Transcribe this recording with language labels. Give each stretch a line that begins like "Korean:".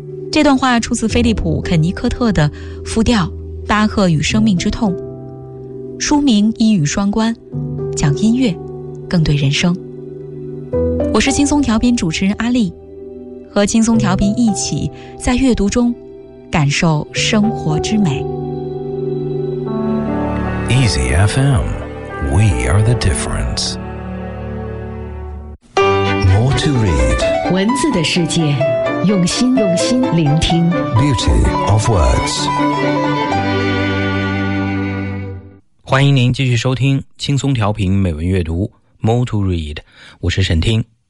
Chinese: 这段话出自菲利普·肯尼科特的复调《巴赫与生命之痛》，书名一语双关，讲音乐更对人生。我是轻松调频主持人阿丽，和轻松调频一起在阅读中感受生活之美。
English: Easy FM, We are the difference. More to read.
Chinese: 文字的世界，用心，用心聆听。
English: Beauty of Words。
Chinese: 欢迎您继续收听轻松调频美文阅读 More to Read， 我是沈听。